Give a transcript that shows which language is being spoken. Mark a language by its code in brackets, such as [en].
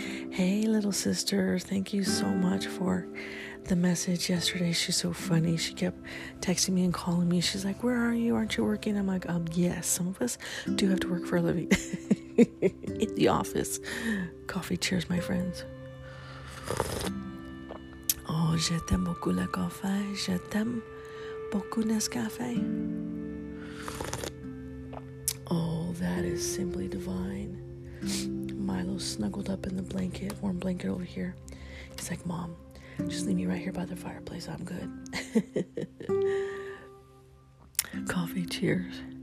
[en] Hey, little sister. Thank you so much for the message yesterday. She's so funny. She kept texting me and calling me. She's like, "Where are you? Aren't you working?" I'm like, yes, some of us do have to work for a living. In the office. Coffee cheers, my friends. [fr] Oh, je t'aime beaucoup le café. Je t'aime beaucoup Nescafé. [en] Oh, that is simply divine. Milo snuggled up in the blanket, warm blanket over here. He's like, "Mom, just leave me right here by the fireplace. I'm good." Coffee cheers.